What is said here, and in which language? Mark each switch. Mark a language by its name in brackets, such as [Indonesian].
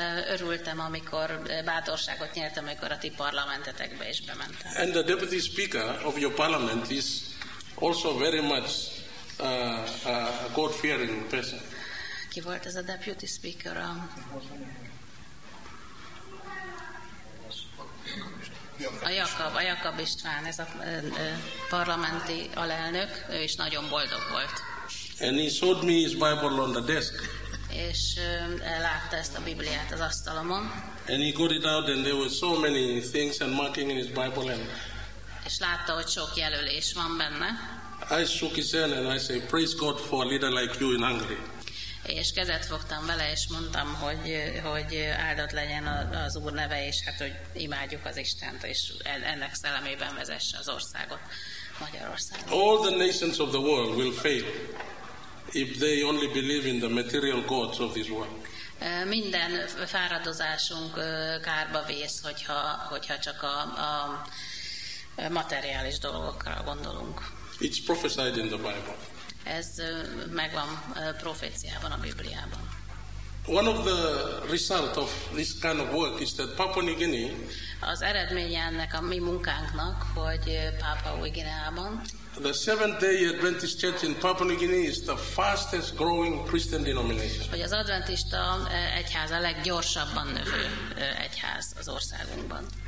[Hungarian] Örültem, amikor bátorságot nyertem, amikor a ti parlamentetekbe is bementem. [English] And the deputy speaker of your parliament is also very much a God-fearing person. [Hungarian] Ki volt ez a [English] deputy speaker? [Hungarian] A Jakab István, ez a parlamenti alelnök, ő is nagyon boldog volt. [English] And he showed me his Bible on the desk. [Hungarian] És látta ezt a Bibliát az asztalomon. [English] And he got it out and there were so many things and marking in his Bible and. [Hungarian] És látta, hogy sok jelölés van benne. [English] I shook his hand and I say, praise God for a leader like you in Hungary. [Hungarian] És kezet fogtam vele, és mondtam, hogy áldott legyen az Úr neve, és hát, hogy imádjuk az Istent, és ennek szellemében vezesse az országot, Magyarországot. [English] All the nations of the world will fail if they only believe in the material gods of this world. [Hungarian] Minden fáradozásunk kárba vész, hogyha csak a materiális dolgokra gondolunk. [English] It's prophesied in the Bible. [Hungarian] Ez megvan proféciában a Bibliában. [English] One of the result of this kind of work is that Papua New Guinea. [Hungarian] Az eredménye ennek a mi munkánknak, hogy Papua New Guinea-ban. [English] The Seventh-day Adventist Church in Papua New Guinea is the fastest growing Christian denomination. [Hungarian] Hogy az adventista egyház a leggyorsabban növő egyház az országunkban.